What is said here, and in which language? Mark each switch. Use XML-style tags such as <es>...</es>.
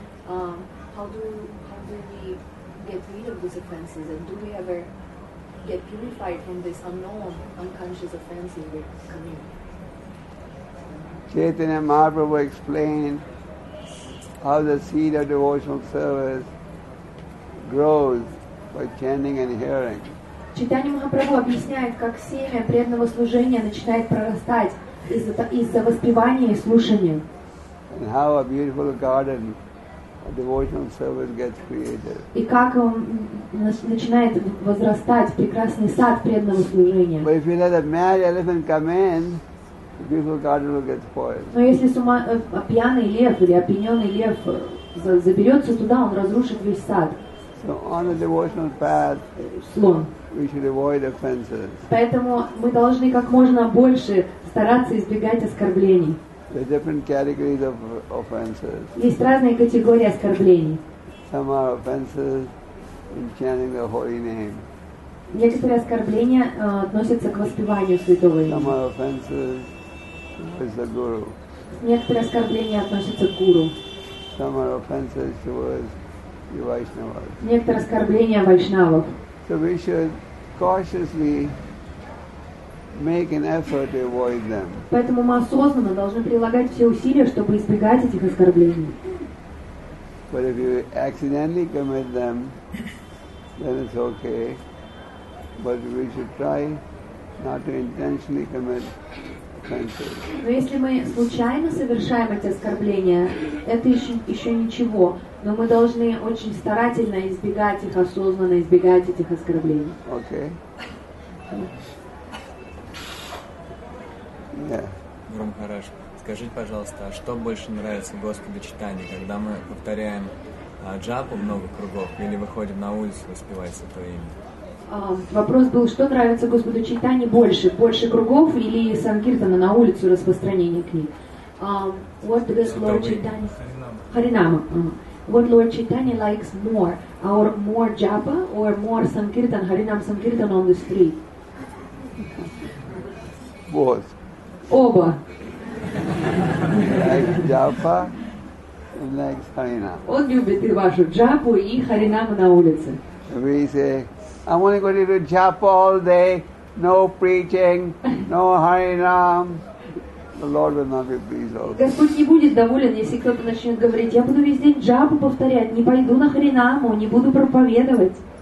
<en>How do we get rid of these offenses, and do we ever get purified from this unknown, unconscious offenses we commit? Chaitanya Mahaprabhu explained how the seed of devotional service grows by chanting and hearing.</en> <ru>Чайтанья Махапрабху объясняет, как семя преданного служения начинает прорастать из-за воспевания и слушания.</ru> <en>And how a beautiful garden devotional service gets created.</en> <ru>И как он начинает возрастать прекрасный сад преданного служения.</ru> <en>But if you let a mad elephant come in, the beautiful garden will get spoiled.</en> <ru>Но если пьяный лев или опьяненный лев заберется туда, он разрушит весь сад.</ru> <en>So on a devotional path, we should avoid offenses.</en> <ru>Поэтому мы должны как можно больше стараться избегать оскорблений.</ru> <en>There are different categories of offenses.</en> <ru>Есть разные категории оскорблений.</ru> <en>Some are offenses in chanting the holy name.</en> <ru>Некоторые оскорбления относятся к воспеванию святого имени.</ru> <en>Some are offenses towards the guru.</en> <ru>Некоторые оскорбления относятся к гуру.</ru> <en>Some are offenses towards the Vaishnavas.</en> <ru>Некоторые оскорбления вайшнавов.</ru> <en>So we should cautiously make an effort to avoid them. Поэтому мы осознанно должны прилагать все усилия, чтобы избегать этих оскорблений. But if you accidentally commit them, then it's okay. But we should try not to intentionally commit offenses.</en> <ru>Но если мы случайно совершаем эти оскорбления, это еще ничего. Но мы должны очень старательно избегать их, осознанно избегать этих оскорблений.</ru> <en>Okay.</en> <ru>Гуру Махарадж, скажите, пожалуйста, а что больше нравится Господу Чайтанье, когда мы повторяем джапу много кругов или выходим на улицу воспевать Святое Имя? Вопрос был, что нравится Господу Чайтанье больше? Больше кругов или Сангхиртана на улицу распространение книг?</ru> <en>What does Lord Chaitanya...</en> <ru>Харинама.</ru> <en>What Lord Chaitanya likes more? Our more japa or more Sankirtan, Харинам Сангхиртан on the street? Both.</en> <ru>Оба.</ru> <en>Like japa and like harinam.</en> <ru>Он любит и вашу джапу, и харинаму на улице.</ru> <en>We say, I want to go to japa all day, no preaching, no harinam. The Lord will not be pleased also.</en> <ru>Господь не будет доволен, если кто-то начнет говорить, я буду весь день джапу повторять, не пойду на харинаму, не буду проповедовать.</ru>